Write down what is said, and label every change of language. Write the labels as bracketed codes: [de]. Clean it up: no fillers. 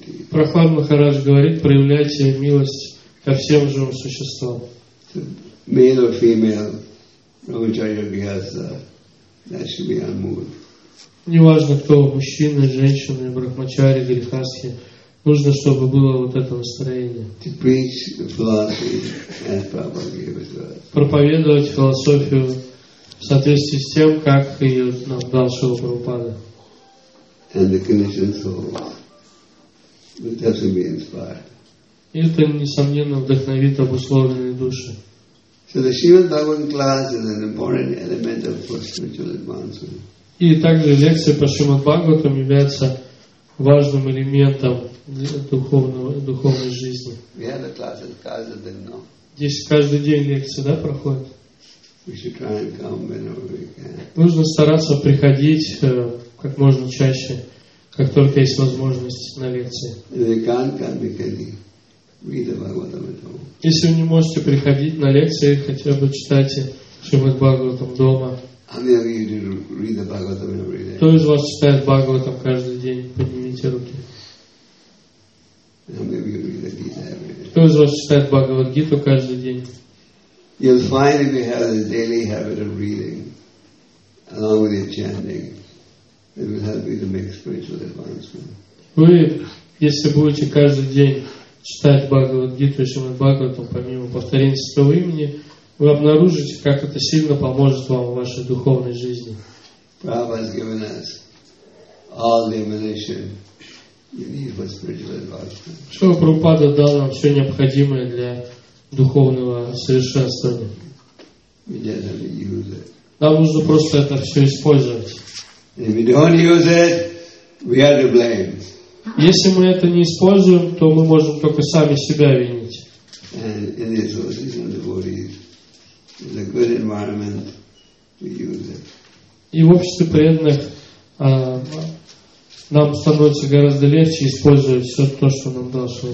[ru] Прохлад Махарадж говорит, проявляйте милость ко всем живым существам. [en] Male or female, Ramacharya Vyasa, that should be our mood. [ru] Неважно кто, мужчина, женщина, брахмачари, грихасхи, нужно, чтобы было вот это настроение. [en] To preach the philosophy as Prabhupada gave it to us. [ru] Проповедовать философию в соответствии с тем, как ее нам дал Шрила Прабхупада. [en] And the conditioned souls will definitely be inspired. [ru] Это несомненно вдохновит обусловленные души. [en] So the Shrimad Bhagavatam class is an important element of spiritual advancement. [ru] И также лекция по Шримад Бхагаватам является важным элементом духовной жизни. [en] We have a class at Kaza Dino. [ru] Здесь каждый день лекция, да, проходит. [en] We should try and come whenever we can. [ru] Нужно стараться приходить. Как можно чаще, как только есть возможность на лекции. Если вы не можете приходить на лекции, хотя бы читайте Шримад Бхагаватам дома. Кто из вас читает Бхагаватам каждый день? Поднимите руки. Кто из вас читает Бхагавад-гиту каждый день? [en] You'll find if you have a daily habit of reading, along with your chanting. It will help you to make spiritual advancement. [ru] Вы, если будете каждый день читать Бхагавад-гиту и Шримад Бхагаватам, помимо повторения святого имени, вы обнаружите, как это сильно поможет вам в вашей духовной жизни. [en] Prabhupada has given us all the ammunition you need for spiritual advancement. [ru] Шрила Прабхупада дал нам все необходимое для духовного совершенствования. [en] We just have to use it. [ru] Нам нужно просто это все использовать. [en] If we don't use it, we are to blame. [ru] Если мы это не используем, то мы можем только сами себя винить. [en] And in the association of devotees, in a good environment, we use it. [ru] И в обществе преданных нам становится гораздо легче использовать все то, что нам дал Шрила